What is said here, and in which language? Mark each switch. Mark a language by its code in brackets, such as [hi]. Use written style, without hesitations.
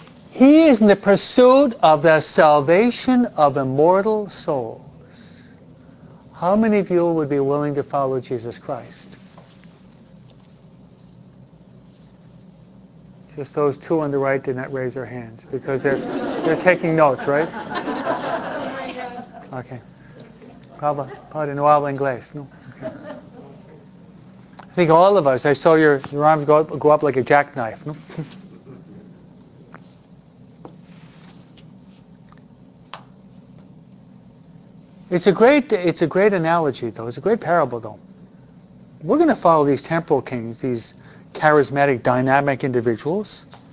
[en] He is in the pursuit of the salvation of immortal souls. How many of you would be willing to follow Jesus Christ? Just those two on the right did not raise their hands because they're taking notes, right? Okay. [es] Pardon, no habla inglés, no? [en] Okay. I think all of us, I saw your arms go up like a jackknife, no? It's a great analogy, though. It's a great parable, though. We're going to follow these temporal kings, these charismatic, dynamic individuals.